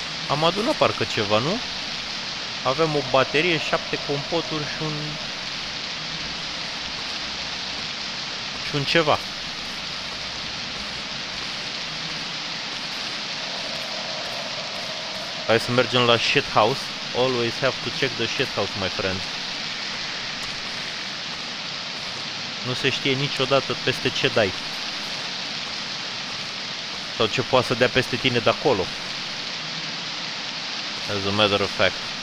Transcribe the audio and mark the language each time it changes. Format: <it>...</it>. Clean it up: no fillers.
<ro>Am adunat parcă ceva, nu? Avem o baterie, 7 compoturi și un... și un ceva. Hai să mergem la shit house.</ro> <en>Always have to check the shit house, my friend.</en> <ro>Nu se știe niciodată peste ce dai. Sau ce poate să dea peste tine de acolo.</ro> <en>As a matter of fact.</en>